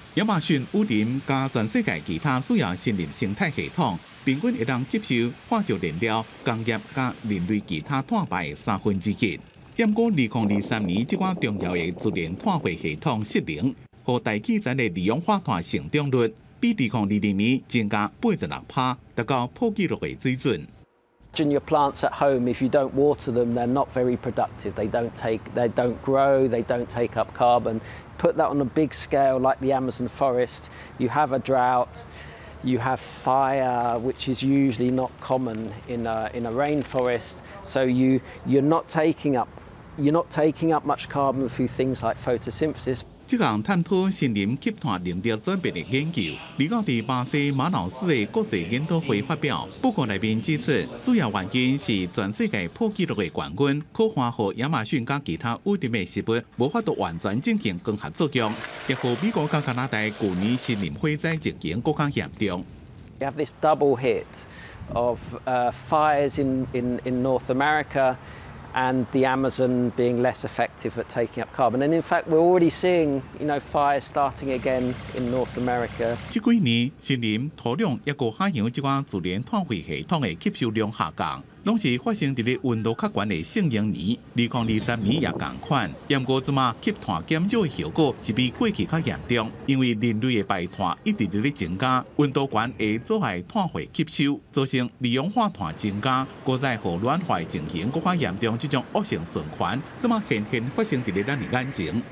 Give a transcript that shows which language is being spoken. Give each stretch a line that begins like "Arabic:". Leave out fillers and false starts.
Min Nan Chinese: 亚马逊雨林加全世界其他主要森林生态系统，平均会当吸收化石燃料、工业佮人类其他碳排的1/3。不过2023年这款重要的自然碳汇系统失灵，和大气层的二氧化碳成长率比2020年增加86%，达到破纪录的水准。
English: Junior plants at home, if you don't water them, they're not very productive. They don't grow, they don't take up carbon. Put that on a big scale like the Amazon forest, you have a drought, you have fire, which is usually not common in a rainforest. So you're not taking up much carbon through things like photosynthesis.
Min Nan Chinese: 这项探讨森林吸碳能力转变的研究，已经在巴西马瑙斯的国际研讨会发表。报告内面指出，主要原因是全世界破纪录的高温、酷旱和亚马逊跟其他污染的植物无法度完全进行光合作用，也和美国跟加拿大去年森林火灾情形更加严重。
English: You have this double hit of fires in North America. and the Amazon being less effective at taking up carbon. And in fact, we're already seeing, you know, fires starting again in North America.
Min Nan Chinese: 这几年，森林、土壤也过海洋这款自然碳汇系统的吸收量下降，拢是发生伫咧温度较悬的圣婴年，2023年也同款。不过，即马吸碳减少的效果是比过去较严重，因为人类的排碳一直伫咧增加，温度悬会阻碍碳汇吸收，造成二氧化碳增加，搁再互暖化情形搁较严重，这种恶性循环，即马现现发生伫咧咱的眼前。